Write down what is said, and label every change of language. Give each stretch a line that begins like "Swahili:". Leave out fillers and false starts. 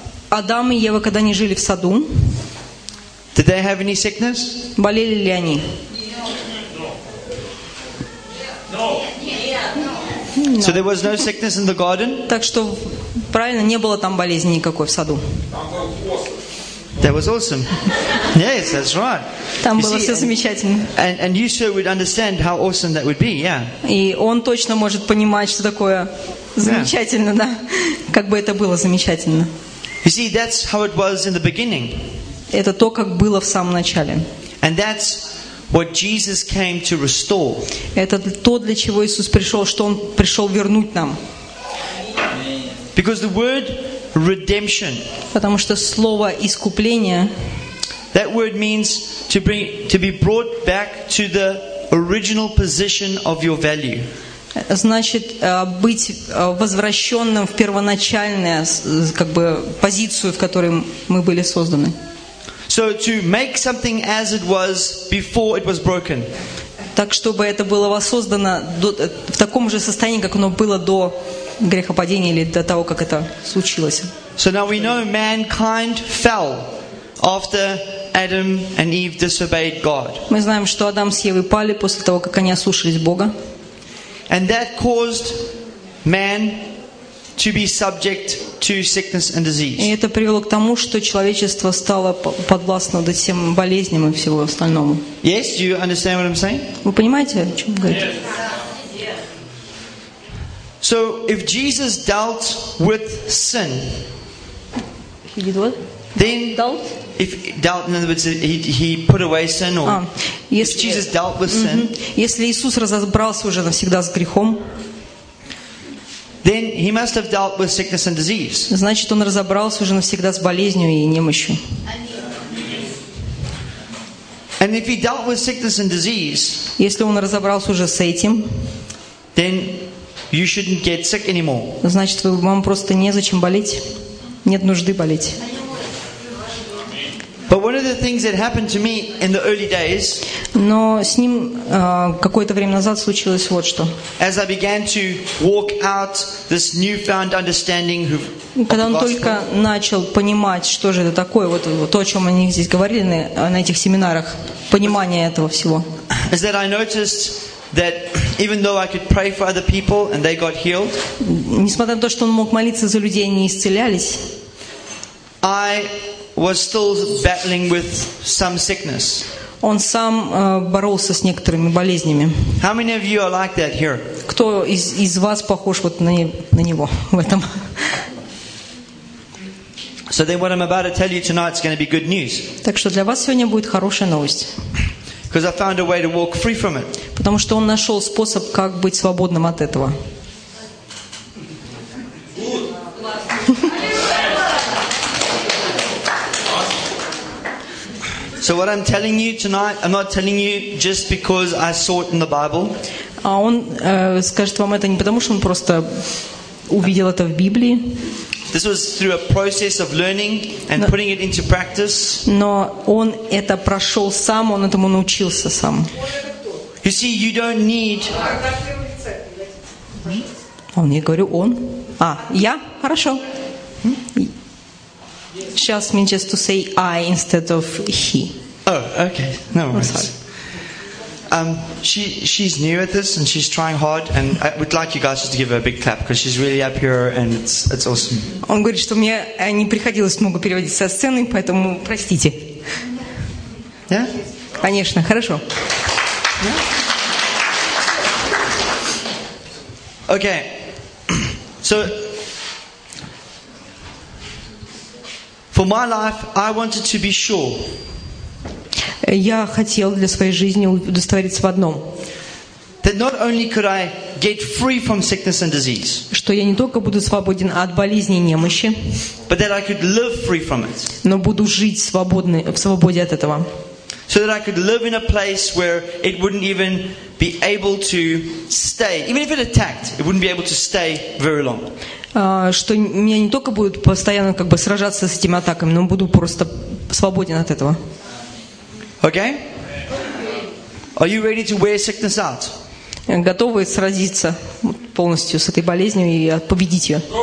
Russian: Адам и Ева, когда они жили в саду,
English: did they have any sickness?
Russian: Болели ли они?
English: No. So there was no sickness in the garden.
Russian: Так что правильно, не было там болезни никакой в саду.
English: That was awesome. Yes, that's right.
Russian: Там было все замечательно.
English: And you sure would understand how awesome that would be, yeah.
Russian: И он точно может понимать, что такое замечательно, да? Как бы это было замечательно.
English: You see, that's how it was in the beginning.
Russian: Это то, как было в самом начале.
English: And that's what Jesus came to restore.
Russian: Это то, для чего Иисус пришел, что Он пришел вернуть нам.
English: Because the word redemption.
Russian: Потому что слово искупление.
English: That word means to be brought back to the original position of your value.
Russian: Значит, быть возвращенным в первоначальное, как бы позицию, в которой мы были созданы.
English: So to make something as it was before it was broken.
Russian: Так чтобы это было воссоздано в таком же состоянии, как оно было до грехопадения или до того, как это случилось.
English: So now we know mankind fell after Adam and Eve disobeyed God.
Russian: Мы знаем, что Адам с Евой пали после того, как они ослушались Бога.
English: And that caused man to be subject to sickness and disease.
Russian: И это привело к тому, что человечество стало подвластно вот этим болезням и всего остальному.
English: Yes, do you understand what I'm saying?
Russian: Вы понимаете, о чём я говорю?
English: Yes. So if Jesus dealt with sin, he did what? Then dealt. If dealt, in other words, he put away sin. Or if Jesus dealt with sin,
Russian: если Иисус разобрался уже навсегда с грехом,
English: then he must have dealt with sickness and disease.
Russian: Значит, он разобрался уже навсегда с болезнью и немощью.
English: And if he dealt with sickness and disease,
Russian: если он разобрался уже с этим,
English: then you shouldn't get sick anymore.
Russian: Значит, вам просто незачем болеть. Нет нужды болеть.
English: But one of the things that happened to me in the early days,
Russian: но с ним какое-то время назад случилось вот что.
English: As I began to walk out this newfound understanding of
Russian: когда он только начал понимать, что же это такое, вот то, о чем они здесь говорили на этих семинарах, понимание этого всего.
English: Is that I noticed that even though I could pray for other people and they got healed,
Russian: несмотря на то, что он мог молиться за людей, они исцелялись,
English: I was still battling with some sickness.
Russian: Он сам боролся с некоторыми болезнями.
English: How many of you are like that here?
Russian: Кто из вас похож вот на него в этом?
English: So then what I'm about to tell you tonight is going to be good news.
Russian: Так что для вас сегодня будет хорошая новость.
English: Because I found a way to walk free from it.
Russian: Потому что он нашел способ, как быть свободным от этого.
English: So what I'm telling you tonight, I'm not telling you just because I saw it in the Bible.
Russian: А он скажет вам это не потому, что он просто увидел это в Библии.
English: This was through a process of learning and putting it into practice.
Russian: Но он это прошел сам, он этому научился сам.
English: You see, you don't need.
Russian: Он, я говорю, он. А, я? Хорошо.
English: She asked me just to say I instead of he. Oh, okay. No worries. She's new at this and she's trying hard and I would like you guys just to give her a big clap because she's really up here and it's awesome.
Russian: Он говорит, что мне не приходилось много переводить со сцены, поэтому простите.
English: Yeah?
Russian: Конечно, хорошо.
English: Yeah? Okay. So for my life, I wanted to be sure.
Russian: Я хотел для своей жизни удостовериться в одном.
English: That not only could I get free from sickness and disease,
Russian: что я не только буду свободен от болезни и немощи,
English: but that I could live free from it,
Russian: но буду жить в свободе от этого.
English: So that I could live in a place where it wouldn't even be able to stay. Even if it attacked, it wouldn't be able to stay very long.
Russian: Что меня не только будут постоянно как бы сражаться с этими атаками, но буду просто свободен от этого.
English: Okay? Are you ready to wear sickness out?
Russian: Готовы сразиться полностью с этой болезнью и победить ее?